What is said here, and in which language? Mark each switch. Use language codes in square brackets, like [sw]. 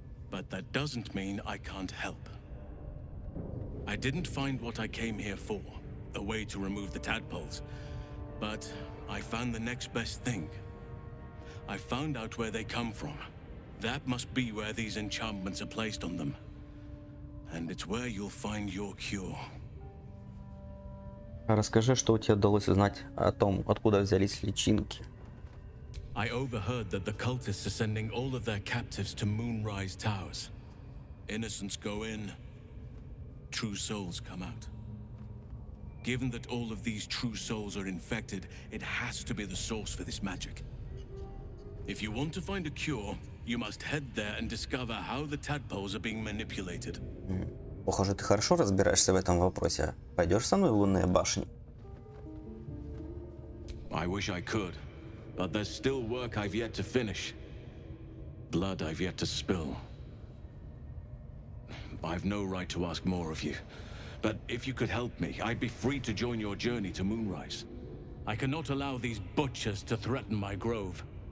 [en] But that doesn't mean I can't help. I didn't find what I came here for, a way to remove the tadpoles. But I found the next best thing. I found out where they come from. That must be where these enchantments are placed on them. And it's where you'll find your cure. [ru] Расскажи, что у тебя удалось узнать о том, откуда взялись личинки. [en] I overheard that the cultists are sending all of their captives to Moonrise Towers. Innocents go in, true souls come out. Given that all of these true souls are infected, it has to be the source for this magic. If you want to find a cure, you must head there and discover how the tadpoles are being manipulated. [ru] Похоже, ты хорошо разбираешься в этом вопросе. Пойдешь со мной в Лунные башни? [en] I wish I could. But there's still work I've yet to finish. Blood I've yet to spill. I've no right to ask more of you. But if you could help me, I'd be free to join your journey to Moonrise. I cannot allow these butchers to threaten my grove.